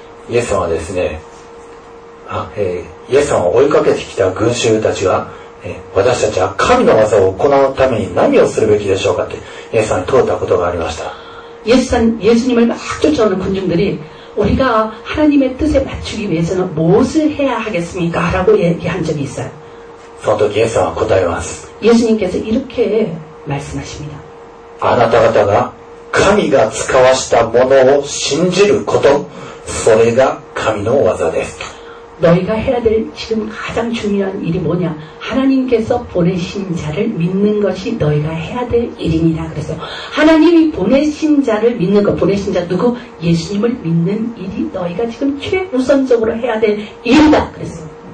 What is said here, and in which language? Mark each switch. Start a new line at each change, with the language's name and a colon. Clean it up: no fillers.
Japanese: 예수와ですね예수와追いかけてきた群衆たちが私たちは神の技を行うために何をするべきでしょうかって예수に問ったことがありました。
Korean: 예수님을막쫓아오는군중들이우리가하나님의뜻에맞추기위해서는무엇을해야하겠습니까라고얘기한적이있어요
Japanese: その時예수は答えます。
Korean: 예수님께서이렇게말씀하십니다
Japanese: あなた方が神が使わしたものを信じることそれが神の技です。
Korean: 너희가해야될지금가장중요한일이뭐냐하나님께서보내신자를믿는것이너희가해야될일입니다그래서하나님이보내신자를믿는것보내신자누구예수님을믿는일이너희가지금최우선적으로해야될일이다그랬어요